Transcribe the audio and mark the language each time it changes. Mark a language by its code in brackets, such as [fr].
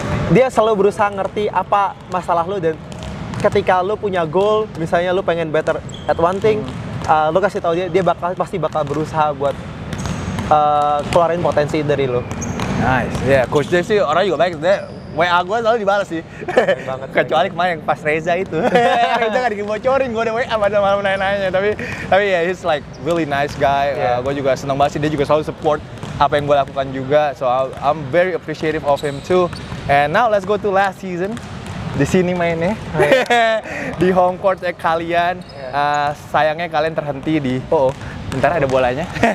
[id] dia selalu berusaha ngerti apa masalah lu, dan ketika lu punya goal, misalnya lu pengen [en] better at one thing, [id] lu kasih tahu dia, dia bakal pasti bakal berusaha buat keluarin potensi dari lu. [en] Nice. [id] Yeah, Coach Dave sih orang juga baik. WA gue selalu dibalas sih. Kecuali kemarin yang pas Reza itu. Reza gak dibocorin, gue udah WA pada malam nanya-nanya. Tapi ya, [en] yeah, he's like really nice guy. Yeah. [id] Gue juga seneng banget sih, dia juga selalu support apa yang gue lakukan juga. [en] So I'm very appreciative of him too. And now let's go to last season. [id] Di sini mainnya. Di home court kalian. Sayangnya kalian terhenti di... Bentar ada bolanya.